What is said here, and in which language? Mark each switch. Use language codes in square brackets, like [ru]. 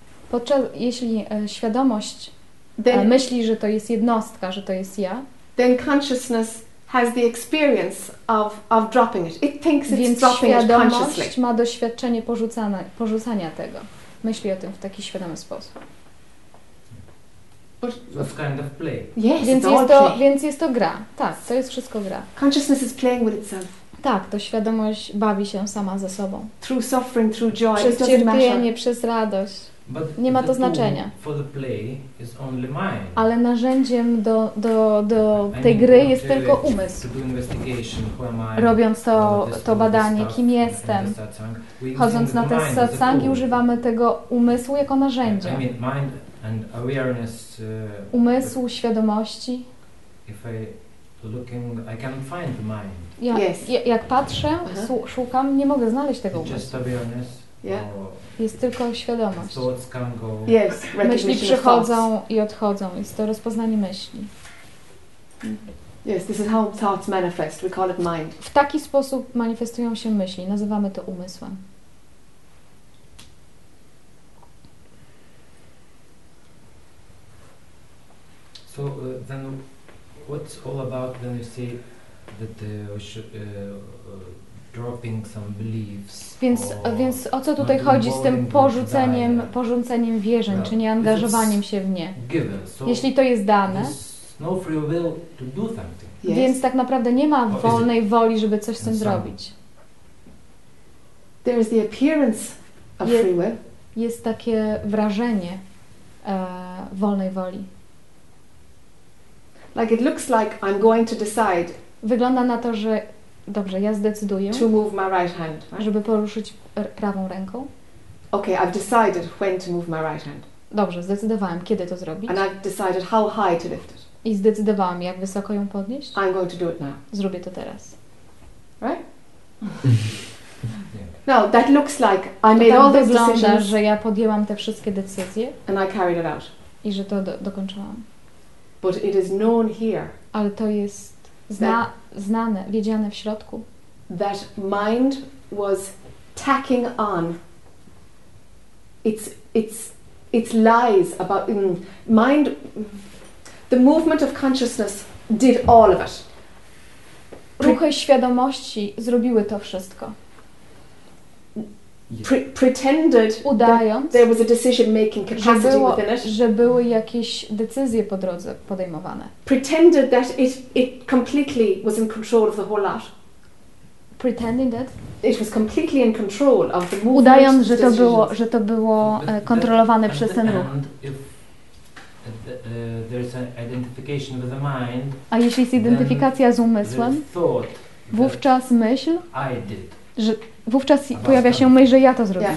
[pl] Podczas, jeśli świadomość myśli, że to jest jednostka, że to jest ja, [en] then consciousness has the experience of dropping it. It thinks it's dropping it consciously. [pl] Więc świadomość ma doświadczenie porzucania tego. Myśli o tym w taki świadomy sposób. [en] That's kind of play. Yes, [pl] więc [en] it's [pl] jest to [en] play. [pl] Więc jest to gra. Tak, to jest wszystko gra. [en] Consciousness is playing with itself. [pl] Tak, to świadomość bawi się sama ze sobą. [en] Through suffering, through joy. [pl] Przez cierpienie, przez radość. [en] But [pl] nie ma to znaczenia. [en] For the play is only mind. [pl] Ale narzędziem do tej gry jest tylko umysł. Robiąc to badanie, kim jestem, chodząc na te satsangi, używamy tego umysłu jako narzędzia. [en] I mean mind and awareness, [pl] umysł, świadomości. [en] If I looking, I can find the mind. Ja, yes. [pl] Jak patrzę, szukam, nie mogę znaleźć tego umysłu. [en] Yeah. [pl] Jest tylko świadomość. [en] Thoughts can go. Yes. [pl] Myśli przychodzą i odchodzą. Jest to rozpoznanie myśli. [en] Yes, this is how thoughts manifest. We call it mind. [pl] W taki sposób manifestują się myśli. Nazywamy to umysłem. [en] So then, what's all about when you say that dropping some beliefs. [pl] Więc o co tutaj chodzi z tym porzuceniem wierzeń, czy nieangażowaniem się w nie? Jeśli to jest dane, [en] no free will to do something. Yes. [pl] Więc tak naprawdę nie ma wolnej woli, żeby coś z tym zrobić. [en] There is the appearance of free will. [pl] Jest takie wrażenie wolnej woli. [en] Like it looks like I'm going to decide. [pl] Wygląda na to, że dobrze, ja zdecyduję. [en] To move my right hand, right? [pl] Żeby poruszyć prawą ręką. [en] Okay, I've decided when to move my right hand. [pl] Dobrze, zdecydowałem, kiedy to zrobić. [en] And I've decided how high to lift it. [pl] I zdecydowałem, jak wysoko ją podnieść. [en] I'm going to do it now. [pl] Zrobię to teraz. [en] Right? No, that looks like I made all the decisions. [pl] Wygląda, że ja podjęłam te wszystkie decyzje. [en] And I carried it out. [pl] I że to dokończyłam. [en] But it is known here. [pl] Ale to jest znane, wiedziane w środku. [en] That mind was tacking on its lies about mind. The movement of consciousness did all of it. [pl] Ruchy świadomości zrobiły to wszystko. [en] Pretended, [pl] udając, [en] that there was a decision making capacity within it. [pl] Że były jakieś decyzje po drodze podejmowane. [en] Pretended that it completely was in control of the whole lot. Pretending that it was completely in control of the movement. [pl] Udając, że to było kontrolowane przez ten ruch. [en] There's an identification with the mind. [pl] A jeśli jest identyfikacja z umysłem, wówczas myśl, [en] I did. [pl] Że wówczas pojawia się myśl, że ja to zrobiłam.